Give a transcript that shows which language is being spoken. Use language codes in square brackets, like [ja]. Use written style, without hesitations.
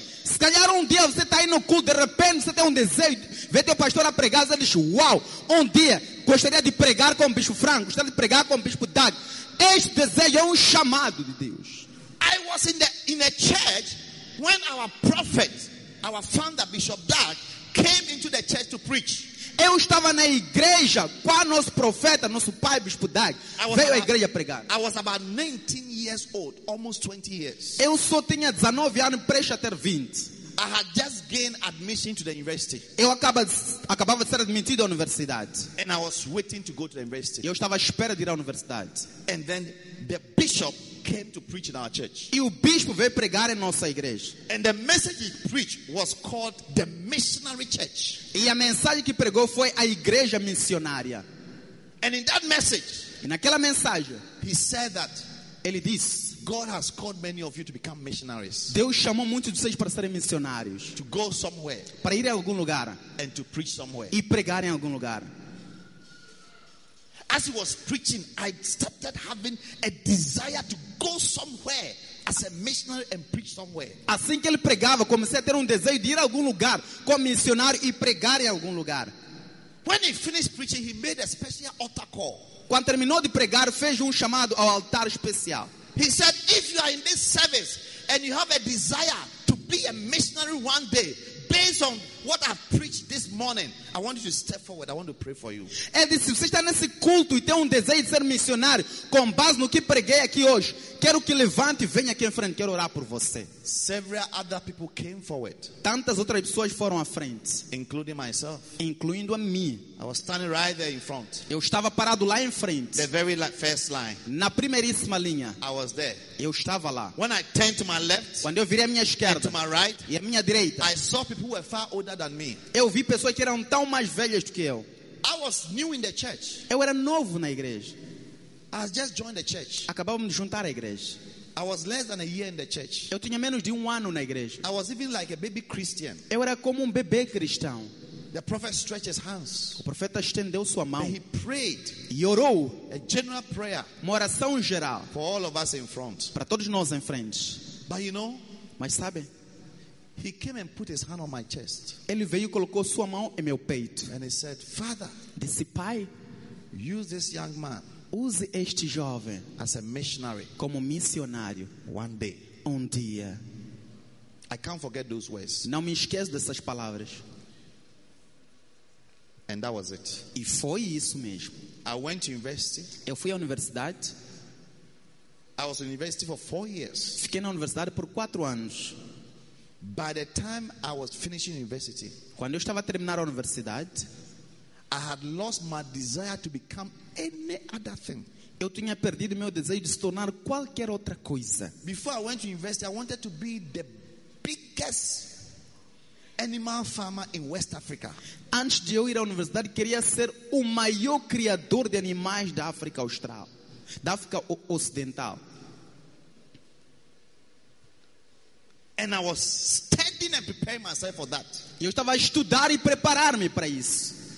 [pt] Se calhar um dia você está aí no culto, de repente você tem um desejo, vê teu pastor a pregar, você diz, uau, um dia gostaria de pregar com o Bispo Franco, gostaria de pregar com o Bispo Doug. Este desejo é um chamado de Deus. [en] I was in a church when our prophet, our founder, Bishop Doug, came into the church to preach. [pt] Eu estava na igreja com o nosso profeta, nosso pai, Bispo Doug, veio à igreja pregar. [en] I was about 19 years old, almost 20 years. [pt] Eu só tinha 19 anos, prestes a ter 20. [en] I had just gained admission to the university. [pt] Eu acabava de ser admitido à universidade. [en] And I was waiting to go to the university. [pt] Eu estava à espera de ir à universidade. [en] And then the bishop came to preach in our church. [pt] E o bispo veio pregar em nossa igreja. [en] And the message he preached was called the missionary church. [pt] E a mensagem que pregou foi a igreja missionária. [en] And in that message, [pt] naquela mensagem, [en] he said that [pt] ele disse, [en] God has called many of you to become missionaries. [pt] Deus chamou muitos de vocês para serem missionários. [en] To go somewhere. [pt] Para ir a algum lugar. [en] And to preach somewhere. [pt] E pregar em algum lugar. [en] As he was preaching, I started having a desire to go somewhere as a missionary and preach somewhere. [pt] Assim que ele pregava, comecei a ter desejo de ir a algum lugar como missionário e pregar em algum lugar. [en] When he finished preaching, he made a special altar call. [pt] Quando terminou de pregar, fez chamado ao altar especial. [en] He said, if you are in this service and you have a desire to be a missionary one day, based on what I preached this morning, I want you to step forward. I want to pray for you. [pt] Ele disse, se você está nesse culto e tem desejo de ser missionário, com base no que preguei aqui hoje, quero que levante e venha aqui em frente. Quero orar por você. [en] Several other people came forward. [pt] Tantas outras pessoas foram à frente. [en] Including myself. [pt] Incluindo a mim. [en] I was standing right there in front. [pt] Eu estava parado lá em frente. [en] The very first line. [pt] Na primeiríssima linha. [en] I was there. [pt] Eu estava lá. [en] When I turned to my left. [pt] Quando eu virei à minha esquerda. [en] And to my right. [pt] E à minha direita. [en] I saw people who were far older than me. [pt] Eu vi pessoas que eram tão mais velhas do que eu. [en] I was new in the church. [pt] Eu era novo na igreja. [en] I just joined the church. [pt] Acabava de juntar a igreja. [en] I was less than a year in the church. [pt] Eu tinha menos de ano na igreja. [en] I was even like a baby Christian. [pt] Eu era como bebê cristão. [en] The prophet stretched his hands. [pt] O profeta estendeu sua mão. [en] And he prayed. [pt] E orou. [en] A general prayer. [pt] Uma oração geral. [en] For all of us in front. [pt] Para todos nós em frente. [en] But you know, [pt] mas sabe? [en] He came and put his hand on my chest. [pt] Ele veio e colocou sua mão em meu peito. [en] And he said, Father, [pt] disse, Pai, [en] use this young man. [pt] Use este jovem [en] as a missionary, [pt] como missionário, [en] one day, [pt] dia. [en] I can't forget those words. [pt] Não me esqueço dessas palavras. [en] And that was it. [pt] E foi isso mesmo. [en] I went to university. [pt] Eu fui à universidade. [en] I was in university for 4 years. [pt] Fiquei na universidade por 4 anos. [en] By the time I was finishing university, [pt] quando eu estava a terminar a universidade, [en] I had lost my desire to become any other thing. [pt] Eu tinha perdido meu desejo de se tornar qualquer outra coisa. [en] Before I went to university, I wanted to be the biggest animal farmer in West Africa. [pt] Antes de eu ir à universidade, queria ser o maior criador de animais da África Austral, da África Ocidental. [en] And I was studying and preparing myself for that. [pt] Eu estava a estudar e preparar-me para isso.